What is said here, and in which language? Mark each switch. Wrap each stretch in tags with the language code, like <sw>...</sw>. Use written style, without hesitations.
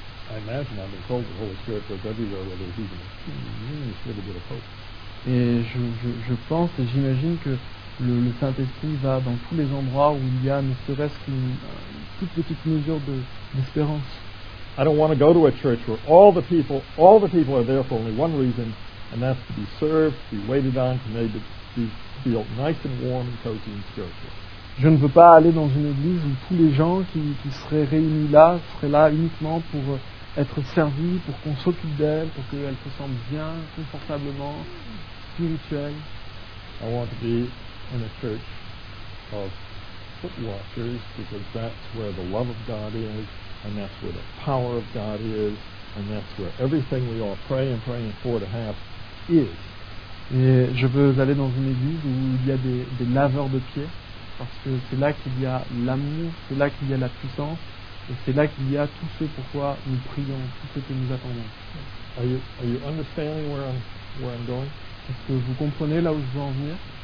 <en>I imagine I've been told the Holy Spirit goes everywhere where there's even a little bit of hope.</en> <fr>Et je pense et j'imagine que le Saint-Esprit va dans tous les endroits où il y a ne serait-ce qu'une toute petite mesure d'espérance.</fr> <en>I don't want to go to a church where all the people are there for only one reason, and that's to be served, to be waited on, to maybe be feel nice and warm and cozy and spiritual.</en> <fr>Je ne veux pas aller dans une église où tous les gens qui seraient réunis là seraient là uniquement pour être servis, pour qu'on s'occupe d'elle, pour qu'elle se sente bien, confortablement, spirituelle.</fr> <en>I want to be in a church of foot washers because that's where the love of God is, and that's where the power of God is, and that's where everything we all pray and praying for to have is.</en> <fr>Et je veux aller dans une église où il y a des laveurs de pieds. Parce que c'est là qu'il y a l'amour, c'est là qu'il y a la puissance, et c'est là qu'il y a tout ce pourquoi nous prions, tout ce que nous attendons.</fr> <en>Are you understanding where I'm going?</en> <fr>Est-ce que vous comprenez là où je veux en venir?</fr>